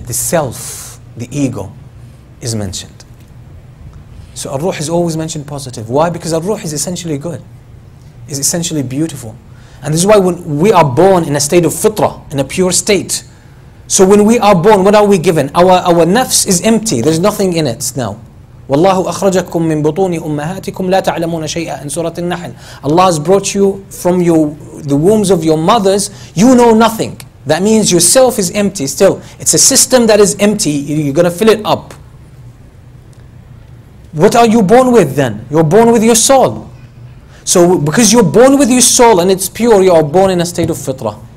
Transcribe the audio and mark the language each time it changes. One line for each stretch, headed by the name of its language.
English: The self, the ego is mentioned. So ar-ruh is always mentioned positive. Why? Because ar-ruh is essentially good. Is essentially beautiful. And this is why when we are born in a state of fitrah, in a pure state. So when we are born, what are we given? Our nafs is empty. There's nothing in it now.
Arabic: وَاللَّهُ أَخْرَجَكُمْ مِنْ بُطُونِ أُمَّهَاتِكُمْ لَا تَعْلَمُونَ شَيْئًا
English: in Surah An-Nahl. Allah has brought you from the wombs of your mothers. You know nothing. That means yourself is empty still. It's a system that is empty. You're going to fill it up. What are you born with then? You're born with your soul. So because you're born with your soul and it's pure, you are born in a state of fitrah.